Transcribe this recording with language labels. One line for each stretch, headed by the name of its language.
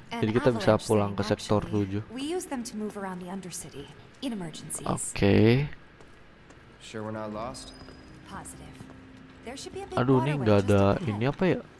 Indonesian: Jadi kita bisa pulang ke sektor 7.
English: We use them to move around the undercity in emergencies. Okay. Sure we're not lost. Positive.
Indonesian: There should be a big waterway. Aduh, ini enggak ada ini apa ya?